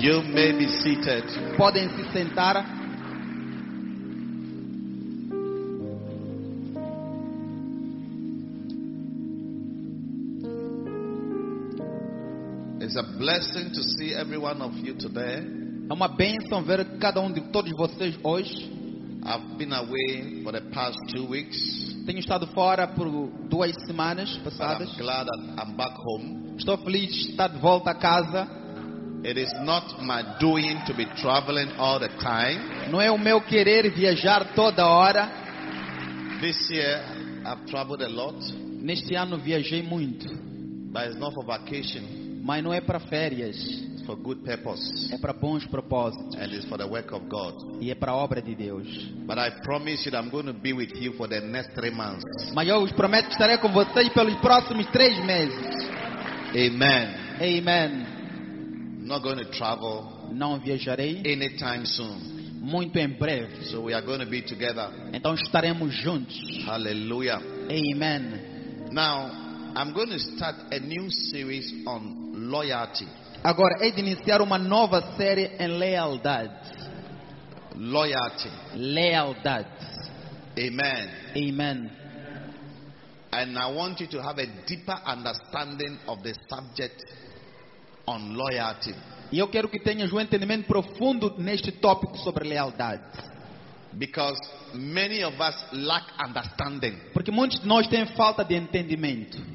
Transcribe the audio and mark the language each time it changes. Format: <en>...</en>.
<en>You may be seated.</en> <pt>Podem se sentar.</pt> <en>It's a blessing to see every one of you today.</en> <pt>É uma bênção ver cada todos vocês hoje.</pt> <en>I've been away for the past 2 weeks.</en> <pt>Tenho estado fora por 2 semanas passadas.</pt> <en>I'm glad that I'm back home.</en> <pt>Estou feliz de estar de volta a casa.</pt> <en>It is not my doing to be traveling all the time.</en> <pt>Não é o meu querer viajar toda hora.</pt> <en>This year I've traveled a lot.</en> <pt>Neste ano viajei muito.</pt> <en>But it's not for vacation.</en> <pt>Mas não é para férias.</pt> <en>For good purpose.</en> <pt>É para bons propósitos.</pt> <en>And it's for the work of God.</en> <pt>E é para a obra de Deus.</pt> <en>But I promise you that I'm going to be with you for the next 3 months.</en> <pt>Mas eu vos prometo que estarei com vocês pelos próximos 3 meses.</pt> <en>Amen.</en> <pt>Amen.</pt> <en>Not going to travel.</en> <pt>Não viajarei.</pt> <en>Anytime soon.</en> <pt>Muito em breve.</pt> <en>So we are going to be together.</en> <pt>Então estaremos juntos.</pt> <en>Hallelujah.</en> <pt>Amen.</pt> <en>Now I'm going to start a new series on loyalty.</en> <pt>Agora é de iniciar uma nova série em lealdade.</pt> <en>Loyalty.</en> <pt>Lealdade.</pt> <en>Amen.</en> <pt>Amen.</pt> <en>And I want you to have a deeper understanding of the subject on loyalty.</en> <pt>E eu quero que tenhas entendimento profundo neste tópico sobre lealdade.</pt> <en>Because many of us lack understanding.</en> <pt>Porque muitos de nós têm falta de entendimento.</pt>